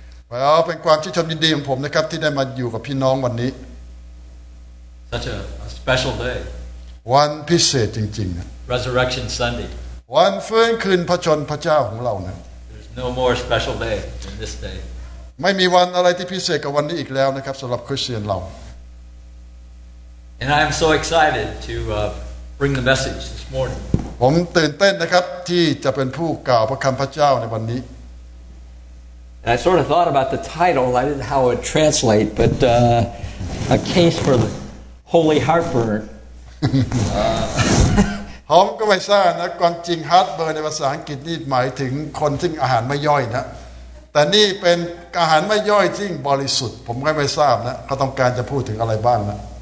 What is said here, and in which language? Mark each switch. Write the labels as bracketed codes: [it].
[th] Well, เป็นความชื่นชมยินดีของผมนะครับที่ได้มาอยู่กับพี่น้องวันนี้ [en] Such a special day. [th] One พิเศษจริงๆนะ [en] Resurrection Sunday. [th] วันฟื้นคืนพระชนพระเจ้าของเรานะ [en] There's no more special day than this day. [th] ไม่มีวันอะไรที่พิเศษกว่าวันนี้อีกแล้วนะครับสำหรับคริสเตียนเรา [en] And I am so excited to bring the message this morning. [th] ผมตื่นเต้นนะครับที่จะเป็นผู้กล่าวพระคำพระเจ้าในวันนี้ [en] And I sort of thought about the title. I didn't know how it would translate, but a case for the holy heartburn. [th] ผมก็ไม่ทราบนะความจริง heartburn ในภาษาอังกฤษนี่หมายถึงคนซึ่งอาหารไม่ย่อยนะแต่นี่เป็นอาหารไม่ย่อยซึ่งบริสุทธิ์ผมก็ไม่ทราบนะก็ต้องการจะพูดถึงอะไรบ้างนะ